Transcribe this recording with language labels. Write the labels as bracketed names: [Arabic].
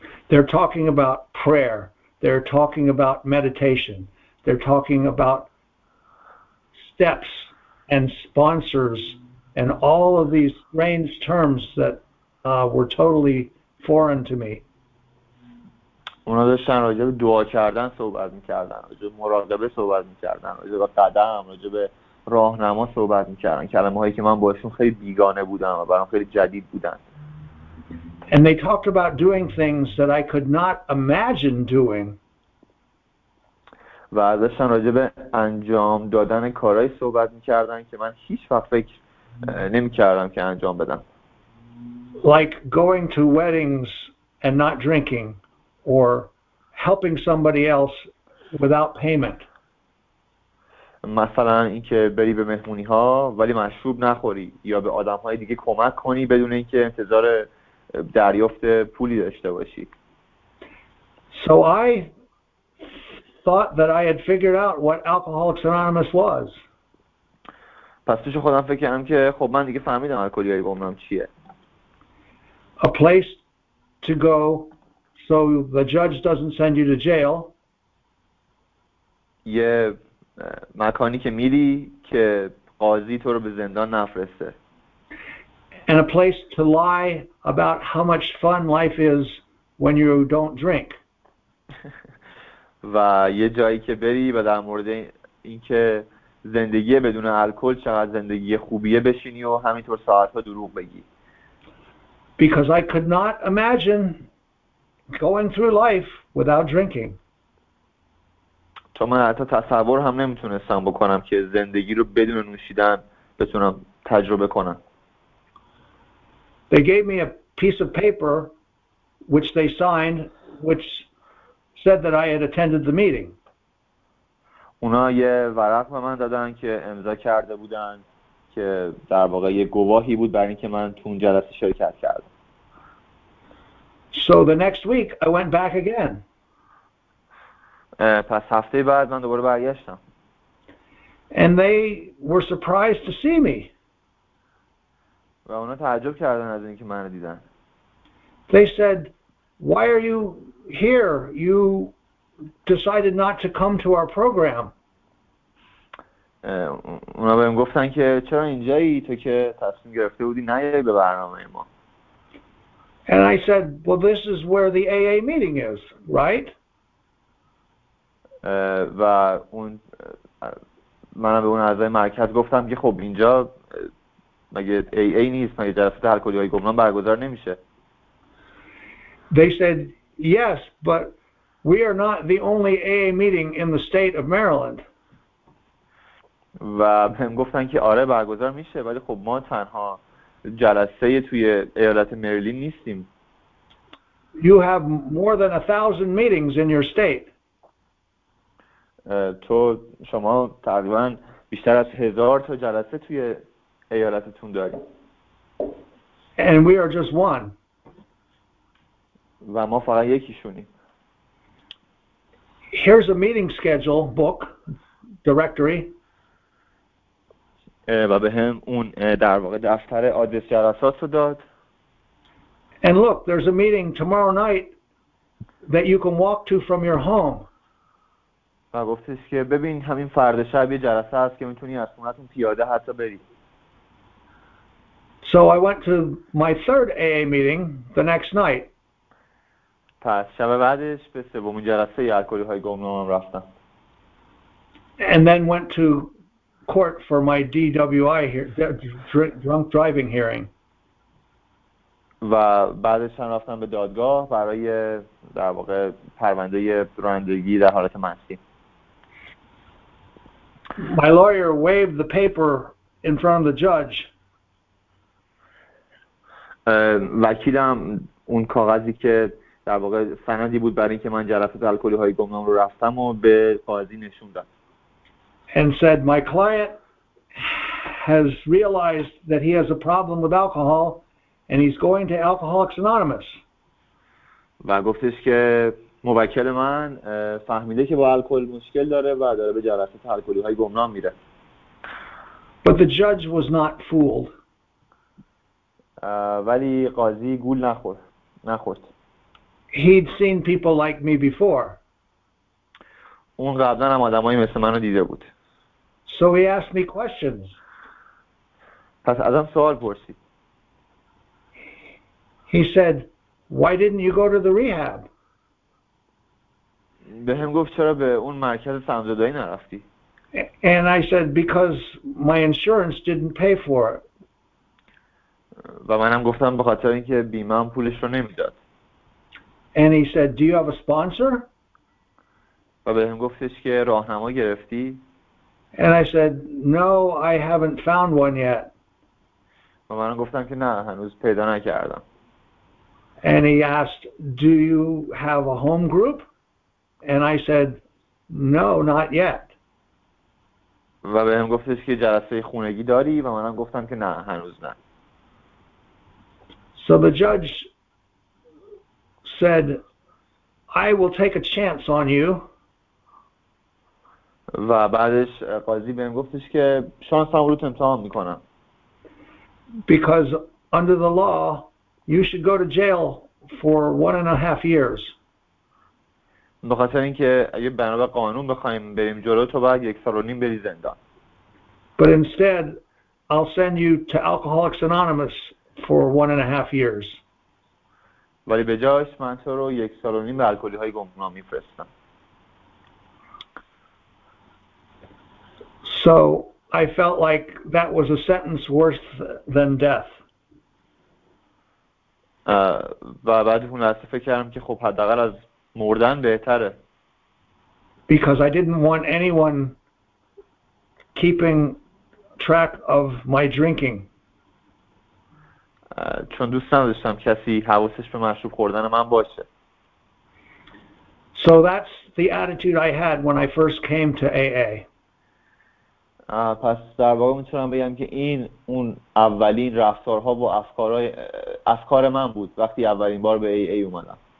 [English] They're talking about prayer. They're talking about meditation. They're talking about steps and sponsors and all of these strange terms that were totally foreign to me. [Persian] اونا داشتن راجع به دعا کردن صحبت میکردن، راجع به مراقبه صحبت میکردن، راجع به قدم، راجع به راهنما صحبت می‌کردن، کلمه‌هایی که من باهاشون خیلی بیگانه بودم و برام خیلی جدید بودن. [English] And they talked about doing things that I could not imagine doing. [Persian] و داشتن راجع به انجام دادن کارهای صحبت می‌کردن که من هیچ وقت فکر نمی‌کردم که انجام بدم. [English] Like going to weddings and not drinking or helping somebody else without payment. [Persian] مثلا اینکه بری به مهمونی ها ولی مشروب نخوری یا به آدم های دیگه کمک کنی بدون اینکه انتظار دریافت پولی داشته باشی. [English] So I thought that I had figured out what Alcoholics Anonymous was. [Persian] پس توش خودم فکر کردم که خب من دیگه فهمیدم الکلی‌های گمنام چیه. [English] A place to go so the judge doesn't send you to jail. [Persian] یه مکانی که میری که قاضی تو رو به زندان نفرسته. [English] And a place to lie about how much fun life is when you don't drink. [Persian] و یه جایی که بری و در مورد اینکه زندگی بدون الکل چقدر زندگی خوبیه بشینی و همینطور ساعت‌ها دروغ بگی. [English] Because I could not imagine going through life without drinking. [Persian] تا چون من حتی تصور هم نمیتونستم بکنم که زندگی رو بدون نوشیدن بتونم تجربه کنم. [English] They gave me a piece of paper which they signed which said that I had attended the meeting. [Persian] اونا یه ورق به من دادن که امضا کرده بودن که در واقع یه گواهی بود برای اینکه من تو اون جلسه شرکت کردم. [English] So the next week I went back again. [Persian] پس هفته بعد من دوباره برگشتم. [English] And they were surprised to see me. [Persian] و اونا تعجب کردن از اینکه منو دیدن. [English] They said, "Why are you here? You decided not to come to our program." [Persian] اونا بهم گفتن که چرا اینجایی تو که تصمیم گرفته بودی نیای به برنامه ما. [English] And I said, "Well, this is where the AA meeting is, right?" [Persian] و اون منم به اون اعضای مرکز گفتم که خب اینجا مگه AA نیست، مگه جلسه الکلی های گمنام برگزار نمیشه. [English] They said, "Yes, but we are not the only AA meeting in the state of Maryland." [Persian] و بهم گفتن که آره برگزار میشه، ولی خب ما تنها جلسه توی ایالت مریلند نیستیم. [English] You have more than 1,000 meetings in your state. [Persian] تو شما تقریبا بیشتر از 1,000 تا جلسه توی ایالتتون داری. [English] And we are just one. [Persian] و ما فقط یکیشونیم. [English] Here's a meeting schedule book directory. [Persian] و به هم اون در واقع دفتر آدرس جلسات رو داد. [English] And look, there's a meeting tomorrow night that you can walk to from your home. [Persian] و گفتش که ببین همین فردا شب یه جلسه هست که میتونی از خونتون پیاده حتی بری. [English] So I went to my third AA meeting the next night. [Persian] پس شب بعدش به سومین جلسه الکلی های گمنامم رفتم. [English] And then went to court for my DWI here, drunk driving hearing. [Persian] و بعدش هم رفتم به دادگاه برای در واقع پرونده رانندگی در حالت مستی. [English] My lawyer waved the paper in front of the judge. [Persian] وکیلم اون کاغذی که در واقع سندی بود برای اینکه من جلسات الکلی های گمنام رو رفتم و به قاضی نشون داد. [English] And said, "My client has realized that he has a problem with alcohol, and he's going to Alcoholics Anonymous." [Persian] و گفتش که موکل من فهمیده که با الکل مشکل داره و داره به جلسات الکلی های گمنام میره. [English] But the judge was not fooled. [Persian] ولی قاضی گول نخورد. [English] He'd seen people like me before. [Persian] اون قبلا هم آدمایی مثل منو دیده بود. [English] So he asked me questions. [Persian] پس ازم سوال پرسید. [English] He said, "Why didn't you go to the rehab?" [Persian] بهم گفت چرا به اون مرکز سمزدائی نرفتی؟ [English] And I said, "Because my insurance didn't pay for it." [Persian] و منم گفتم به خاطر اینکه بیمه هم پولش رو نمیداد. [English] And he said, "Do you have a sponsor?" [Persian] و بهم گفتش که راهنما گرفتی؟ [English] And I said, "No, I haven't found one yet." [Persian] و منم گفتم که نه، هنوز پیدا نکردم. [English] And he asked, "Do you have a home group?" And I said, "No, not yet." [Persian] و بهم گفتش که جلسه خونگی داری و منم گفتم که نه، هنوز نه. [English] So the judge said, "I will take a chance on you." [Persian] و بعدش قاضی بهم گفتش که شانسم رو امتحان میکنم. [English] Because under the law, you should go to jail for 1.5 years. [Persian] به خاطر اینکه اگه بنا به قانون بخوایم بریم جلو، تو باید 1.5 سال بری زندان. [English] But instead, I'll send you to Alcoholics Anonymous for 1.5 years. [Persian] ولی به جاش من تو رو 1.5 سال به الکلی های گمنام میفرستم. [English] So I felt like that was a sentence worse than death. [Persian] و بعد اون لحظه فکر کردم که خب حداقل از مردن بهتره. [English] because I didn't want anyone keeping track of my drinking. [Persian] چون دوست نداشتم کسی حواسش به مشروب خوردن من باشه. [English] So that's the attitude I had when I first came to AA. [Persian] پس در واقع میتونم بگم که این اون اولین رفتارها و افکار من بود وقتی اولین بار به AA اومدم.